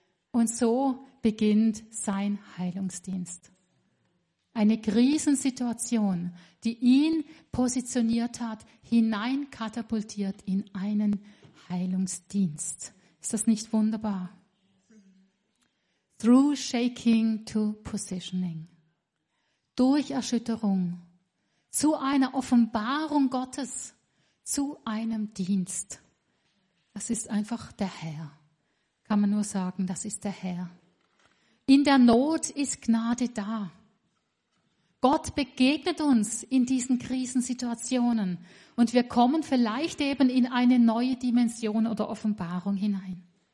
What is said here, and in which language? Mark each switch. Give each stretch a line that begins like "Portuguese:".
German: Und so beginnt sein Heilungsdienst. Eine Krisensituation, die ihn positioniert hat, hineinkatapultiert in einen Heilungsdienst. Ist das nicht wunderbar?
English: Through shaking to positioning.
German: Durch Erschütterung zu einer Offenbarung Gottes, zu einem Dienst. Das ist einfach der Herr. Kann man nur sagen, das ist der Herr. In der Not ist Gnade da. Gott begegnet uns in diesen Krisensituationen und wir kommen vielleicht eben in eine neue Dimension oder Offenbarung hinein.